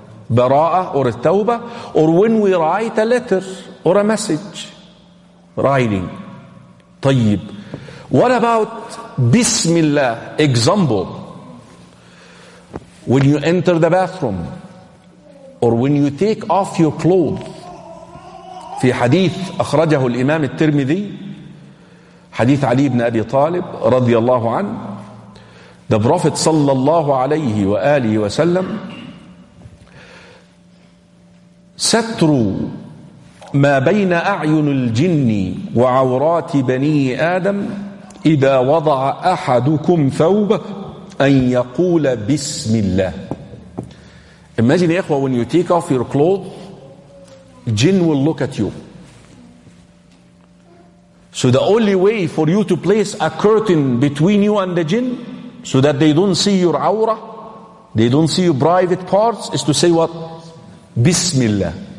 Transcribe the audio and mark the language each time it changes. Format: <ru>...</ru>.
<en>Bara'ah or Tawbah, or when we write a letter or a message, writing. Tayyib. What about Bismillah? Example, when you enter the bathroom, or when you take off your clothes.</en> <ar>في حديث أخرجه الإمام الترمذي حديث علي بن أبي طالب رضي الله عنه</ar> <en>the prophet</en> <ar>صلى الله عليه وآله وسلم ستروا ما بين أعين الجن وعورات بني آدم إذا وضع أحدكم ثوبه أن يقول بسم الله.</ar> <en>Imagine, إخوة, when you take off your clothes, jinn will look at you. So the only way for you to place a curtain between you and the jinn, so that they don't see your awrah, they don't see your private parts, is to say what? Bismillah.</en>